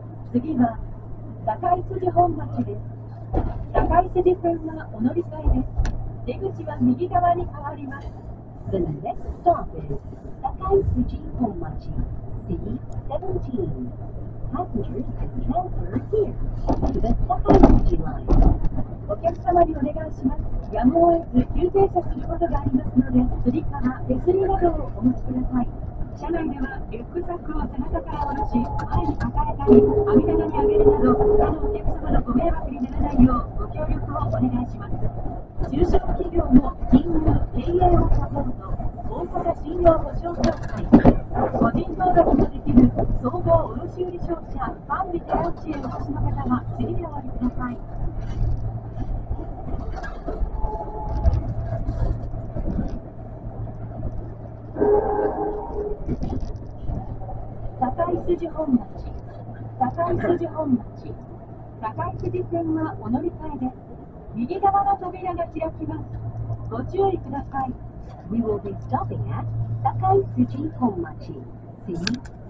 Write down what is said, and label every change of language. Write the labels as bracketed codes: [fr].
[ja] 次は堺筋本町です。堺筋線はお乗り換えです。出口は右側に変わります。 [en] The next stop is 堺筋本町 C17. Passengers can transfer here to the 堺筋 line。 [ja] お客様にお願いします。やむを得ず急停車することがありますので、釣り革、手すりなどをお持ちください。車内ではリュックサックを背中から下ろし、前に抱えたり網棚に上げるなど、他のお客様のご迷惑にならないようご協力をお願いします。中小企業の金融経営をサポート、大阪信用保証協会、個人登録もできる総合卸売商社ファンビテオッチへお越しの方は次でお降りください。堺筋本町、堺筋本町、堺筋線はお乗り換えです。右側の扉が開きます。ご注意ください。 [en] We will be stopping at 堺筋本町 C17.